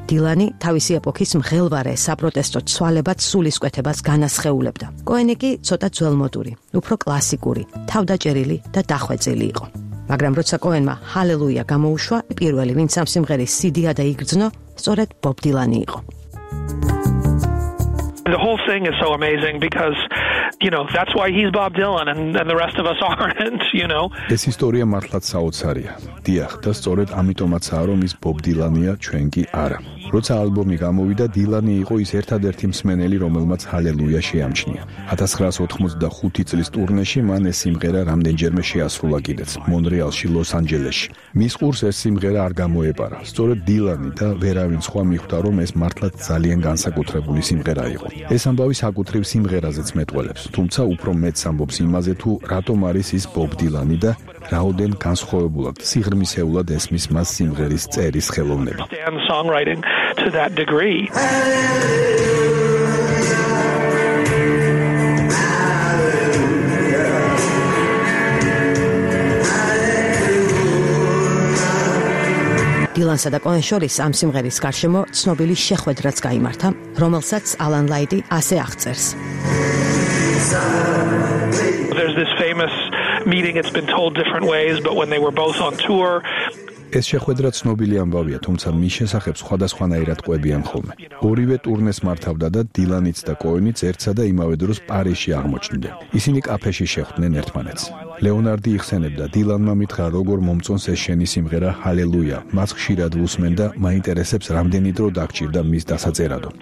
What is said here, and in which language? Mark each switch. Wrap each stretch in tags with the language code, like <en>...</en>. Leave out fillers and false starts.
<ka>დილანი თავისი ეპოქის მღელვარე საპროტესტო ცვალებად სულისკვეთებას განასხეულებდა. კოენი კი ცოტა ძველმოდური, უფრო კლასიკური, თავდაჭერილი და დახვეწილი იყო. მაგრამ როცა კოენმა ჰალელუია გამოუშვა, პირველი ვინც ამ სიმღერის სიდია და იგრძნო, სწორედ ბობ დილანი იყო.</ka> <en>The whole thing is so amazing because you know that's why he's Bob Dylan and the rest of us aren't, you know.</en> <ka>ეს ისტორია მართლაც საოცარია. დიახ, და სწორედ ამიტომაცაა რომ ის ბობ დილანია, ჩვენ კი არა. როცა ალბომი გამოვიდა, დილანი იყო ის ერთადერთი მსმენელი, რომელმაც ჰალელუია შეამჩნია. 1985 წლის ტურნეში მან ეს სიმღერა რამდენჯერმე შეასრულა კიდეც მონრეალში, ლოს-ანჯელესში. მის ყურს ეს სიმღერა არ გამოეპარა. სწორედ დილანი და ვერავინ სხვა მიხვდა, რომ ეს მართლაც ძალიან განსაკუთრებული სიმღერა იყო. ეს ამბავი საკუთრივ სიმღერაზეც მეტყველებს, თუმცა უფრო მეტს ამბობს იმაზე, თუ რატომ არის ის ბობ დილანი და რაოდენ განსხვავებულად, სიღრმისეულად ესმის მას სიმღერის წერის ხელოვნება.</ka> <en>To that degree.</en> <ka>დილანსა და კოენ შორის ამ სიმღერის გარშემო ცნობილი შეხვედრაც გაიმართა, რომელსაც ალან ლაიტი ასე აღწერს.</ka> <en>There's this famous meeting, it's been told different ways, but when they were both on tour,</en> <ka>ეს შეხვედრა ცნობილი ამბავია, თუმცა მის შესახებ სხვადასხვანაირად ყვებიან ხოლმე. ორივე ტურნეს მართავდა და დილანიც და კოენიც ერთსა და იმავე დროს პარიზში აღმოჩნდნენ. ისინი კაფეში შეხვდნენ ერთმანეთს. ლეონარდი იხსენებდა, დილანმა მითხრა, როგორ მომწონს ეს შენი სიმღერა ჰალელუია, მას ხშირად უსმენ და მაინტერესებს რამდენი დრო დაგჭირდა მის დასაწერადო.</ka>